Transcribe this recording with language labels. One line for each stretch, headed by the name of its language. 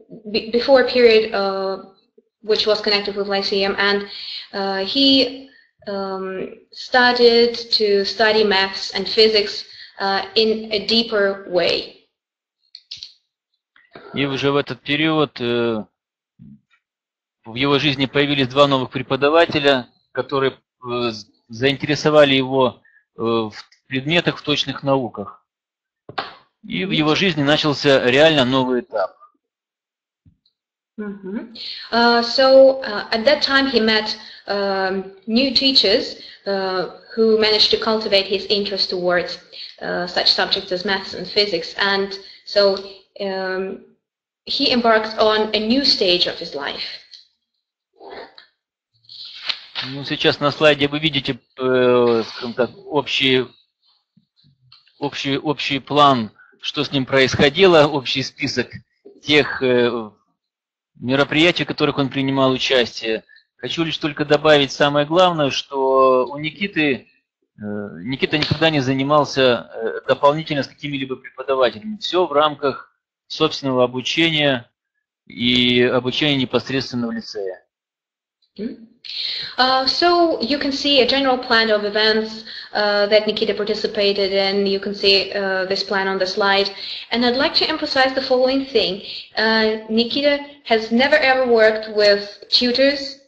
English: before a period which was connected with Lyceum, and he started to study maths and physics in a deeper way.
Russian: И уже в этот период в его жизни появились два новых преподавателя, которые заинтересовали его в предметах, в точных науках. И в его жизни начался реально новый этап. Mm-hmm.
English: So at that time he met new teachers who managed to cultivate his interest towards such subjects as maths and physics, and so he embarked on a new stage of his life.
Russian: Ну, сейчас на слайде вы видите, скажем так, общий план, что с ним происходило, общий список тех мероприятий, в которых он принимал участие. Хочу лишь только добавить самое главное, что у Никита никогда не занимался дополнительно с какими-либо преподавателями. Все в рамках собственного обучения и обучения непосредственно в лицее.
English: So you can see a general plan of events that Nikita participated in. You can see this plan on the slide. And I'd like to emphasize the following thing. Nikita has never ever worked with tutors.